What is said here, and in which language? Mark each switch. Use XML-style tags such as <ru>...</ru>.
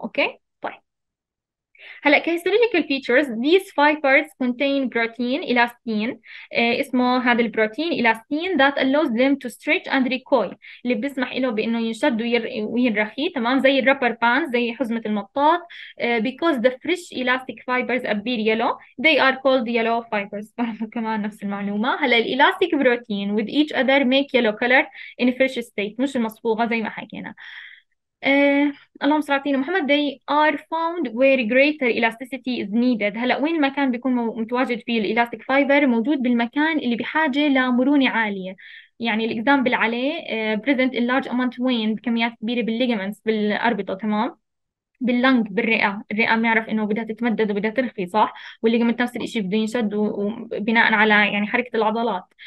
<ar>أوكي طيب، هلا كهيستوريكال فيتشرز،</ar> <en>these fibers contain</en> <ar>بروتين إلاستين، اسمه هذا البروتين إلاستين</ar> <en>that allows them to stretch and recoil،</en> <ar>اللي بيسمح له بأنه ينشد وينرخي تمام، زي الرابر باند زي حزمة المطاط.</ar> <en>because the fresh elastic fibers appear yellow they are called yellow fibers.</en> <ar>كمان نفس المعلومة، هلا الإلاستيك بروتين</ar> <en>with each other make yellow color in fresh state،</en> <ar>مش المصبوغة زي ما حكينا. اللهم صل على سيدنا محمد.</ar> <en>they are found where greater elasticity is needed.</en> <ar>هلا وين المكان بيكون متواجد فيه الإلاستيك فايبر؟ موجود بالمكان اللي بحاجة لمرونة عالية، يعني الإكزامبل عليه</ar> <en>present in large amount</en> <ar>وين؟ بكميات كبيرة بالليجمنتس بالأربطة تمام، باللنج بالرئة، الرئة بنعرف إنه بدها تتمدد وبدها ترخي صح، واللي قمت نفس الإشي بده ينشد وبناء على يعني حركة العضلات.</ar>